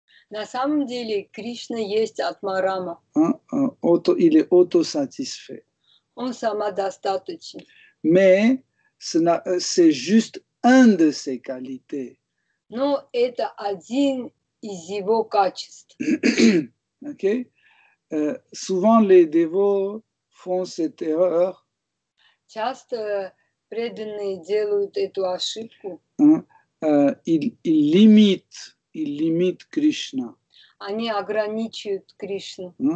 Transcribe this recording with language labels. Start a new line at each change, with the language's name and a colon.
Russian: На самом деле, Кришна есть Атмарама.
French: Il est autosatisfait.
Russian: Он самодостаточен.
French: Mais c'est juste un de ses qualités.
Russian: Но это один из его качеств. OK.
French: Souvent les dévots font cette erreur.
Russian: Часто преданные делают эту ошибку.
French: Ils limitent Krishna.
Russian: Они ограничивают Кришну.